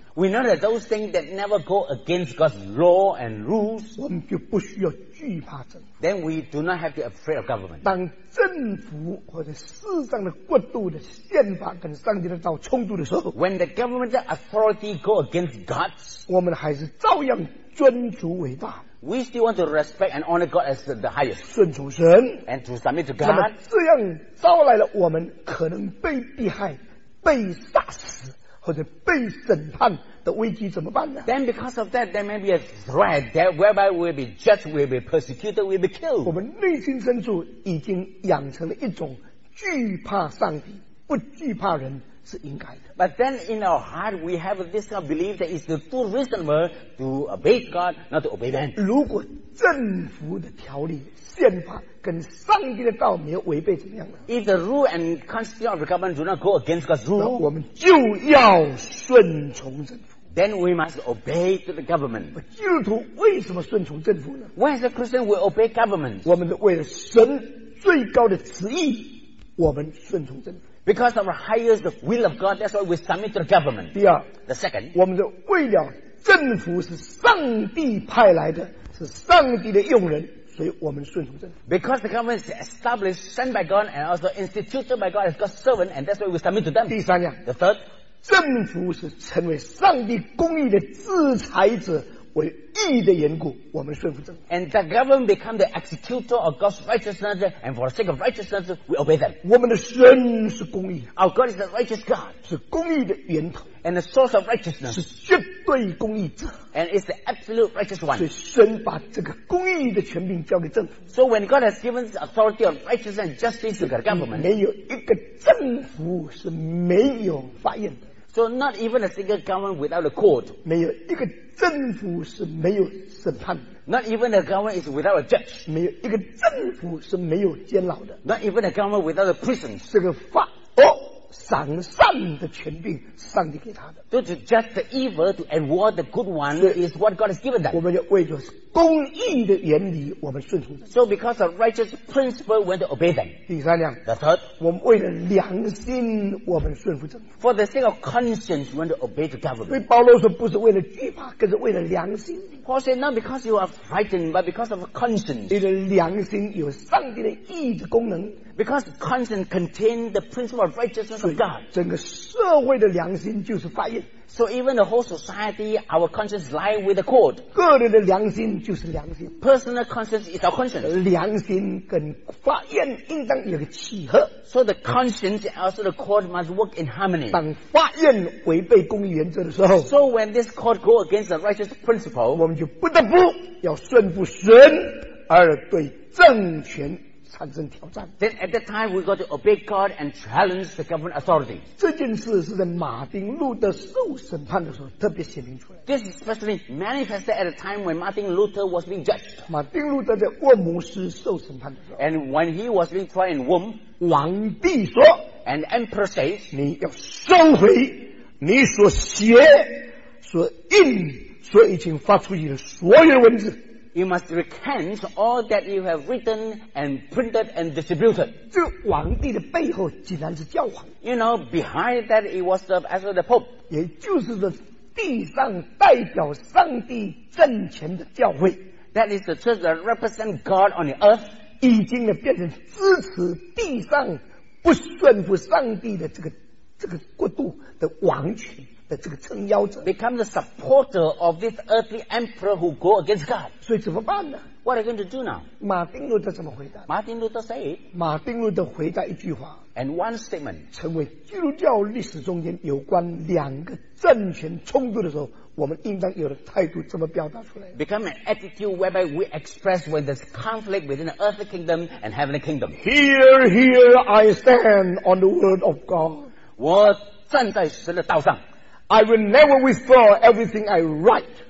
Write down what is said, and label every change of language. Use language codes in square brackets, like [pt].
[en] We know that those things that never go against God's law and rules [zh] 我们就不需要惧怕政府 [en] Then we do not have to be afraid of government [zh] 当政府或者世上的国度的宪法跟上帝的道冲突的时候 [en] When the government authority go against God [zh] 我们还是照样尊主伟大 [en] We still want to respect and honor God as the highest [zh] 顺从神 [en] And to submit to God [zh] 那么这样招来了我们可能被逼害被杀死或者被审判的危机怎么办呢 [en] Then because of that there may be a threat that whereby we'll be judged we'll be persecuted we'll be killed [zh] 我们内心深处已经养成了一种惧怕上帝不惧怕人是应该的。 [en] But then in our heart we have this kind of belief that it's too reasonable to obey God, not to obey man. [zh] 如果政府的条例、宪法跟上帝的道没有违背，怎么样呢？ [en] If the rule and constitution of the government do not go against God's rule, [zh] 我们就要顺从政府。 [en] Then we must obey to the government. [zh] 基督徒为什么顺从政府呢？ [en] Why is a Christian we obey government? [zh] 我们为了神最高的旨意，我们顺从政府。 [en] Because of our highest will of God, that's why we submit to the government. [zh] 第二， [en] the second, [zh] 我们的为了政府是上帝派来的，是上帝的用人，所以我们顺从政府。 [en] Because the government is established, sent by God, and also instituted by God as God's servant, and that's why we submit to them. [zh] 第三样， [en] the third, [zh] 政府是成为上帝公义的制裁者。为义的缘故，我们顺服政府。 [en] And the government become the executor of God's righteousness, and for the sake of righteousness, we obey them. [zh] 我们的神是公义。 [en] Our God is the righteous God. [zh] 是公义的源头。 [en] And the source of righteousness. [zh] 是绝对公义者。 [en] And it's the absolute righteous one. [zh] 所以神把这个公义的权柄交给政府。 [en] So when God has given the authority of righteousness and justice to the government, [zh] 没有一个政府是没有法院的。 [en] So not even a single government without a court. [zh] 没有一个政府是没有审判的。 [en] Not even a government is without a judge. [zh] 没有一个政府是没有监牢的。 [en] Not even a government without a prison. [zh] 这个法哦，赏善的权柄是上帝给他的。 [en] So to judge the evil to award the good one is what God has given them. [zh] 我们要为着公义的原理，我们顺从。 [en] So because of righteous principle, we have to obey them. [zh] 第三样。 [en] The third. [zh] 我们为了良心，我们顺服政府。 [en] For the sake of conscience, we have to obey the government. [zh] 所以保罗说，不是为了惧怕，更是为了良心。 [en] Paul said, not because you are frightened, but because of conscience. [zh] 你的良心有上帝的义的功能。 [en] Because conscience contains the principle of righteousness of God. [zh] 整个社会的良心就是法院。 [en] So even the whole society, our conscience lies with the court. [zh] 个人的良心就是良心。 [en] Personal conscience is our conscience. [zh] 良心跟法院应当有个契合。 [en] So the conscience and also the court must work in harmony. [zh] 当法院违背公义原则的时候， [en] So when this court go against the righteous principle, [zh] 我们就不得不要顺服神，而对政权产生挑战。 [en] Then at that time we got to obey God and challenge the government authority. [zh] 这件事是在马丁路德受审判的时候特别显明出来。 [en] This is especially manifested at a time when Martin Luther was being judged. [zh] 马丁路德在沃姆斯受审判的时候。 [en] And when he was being tried in Worm, [zh] 王帝说 [en] ，And emperor says, [zh] 你要收回你所写、所印、所已经发出去的所有文字。 [en] You must recant all that you have written and printed and distributed. [zh] 这皇帝的背后竟然是教皇。 [en] You know, behind that it was the, as the Pope. [zh] 也就是说地上代表上帝政权的教会。 [en] That is the church that represents God on the earth. [zh] 已经变成支持地上不顺服上帝的这个国度的王权。这个撑腰者 [en] become the supporter of this earthly emperor who go against God. [zh] 所以怎么办呢？ [en] What are you going to do now? [zh] 马丁路德怎么回答？ [en] Martin Luther said. [zh] 马丁路德回答一句话。 [en] And one statement. [zh] 成为基督教历史中间有关两个政权冲突的时候，我们应当有的态度这么表达出来。 [en] Become an attitude whereby we express when there's conflict within the earthly kingdom and heavenly kingdom. Here, here I stand on the word of God. [zh] 我站在神的道上。 [en] I will never withdraw everything I write.